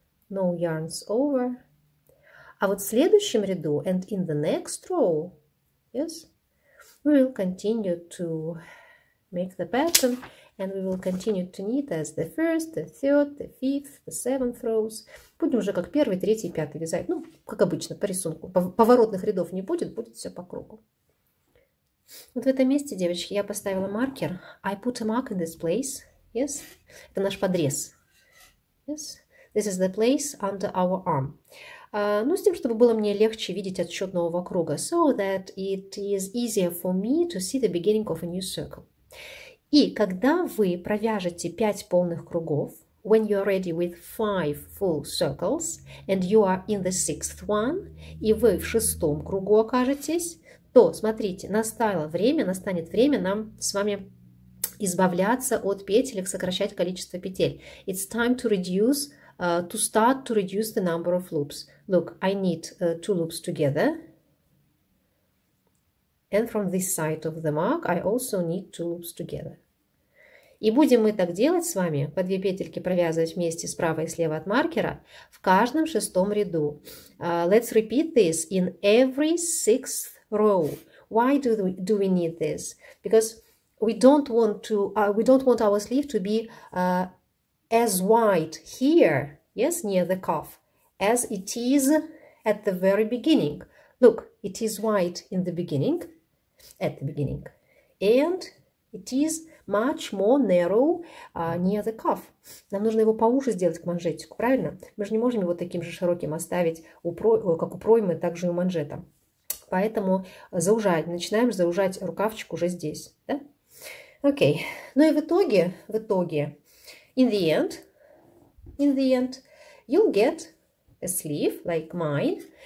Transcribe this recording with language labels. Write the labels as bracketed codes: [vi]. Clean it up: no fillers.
[en] No yarns over. [ru] А вот в следующем ряду, [en] and in the next row, yes, we will continue to make the pattern, and we will continue to knit as the first, the third, the fifth, the seventh rows. [ru] Будем уже как первый, третий, пятый вязать. Ну, как обычно, по рисунку. Поворотных рядов не будет, будет все по кругу. Вот в этом месте, девочки, я поставила маркер. [en] I put a mark in this place. Yes, [ru] это наш подрез. [en] Yes, this is the place under our arm. [ru] Ну, с тем, чтобы было мне легче видеть отсчет нового круга. [en] So that it is easier for me to see the beginning of a new circle. [ru] И когда вы провяжете 5 полных кругов, [en] when you are ready with 5 full circles, and you are in the sixth one, [ru] и вы в шестом кругу окажетесь, то, смотрите, настанет время нам с вами избавляться от петелек, сокращать количество петель. [en] It's time to reduce, to start to reduce the number of loops. Look, I need 2 loops together. And from this side of the mark, I also need 2 loops together. [ru] И будем мы так делать с вами, по 2 петельки провязывать вместе справа и слева от маркера, в каждом шестом ряду. [en] Let's repeat this in every sixth row. Why do we need this? Because we don't want our sleeve to be as wide here, yes, near the cuff, as it is at the very beginning. Look, it is wide in the beginning, at the beginning, and it is much more narrow near the cuff. [ru] Нам нужно его поуже сделать к манжетику, правильно? Мы же не можем его таким же широким оставить, как у проймы, так же и у манжета. Поэтому заужать, начинаем заужать рукавчик уже здесь. Да? Окей. Ну и в итоге, [en] in the end, you'll get a sleeve like mine.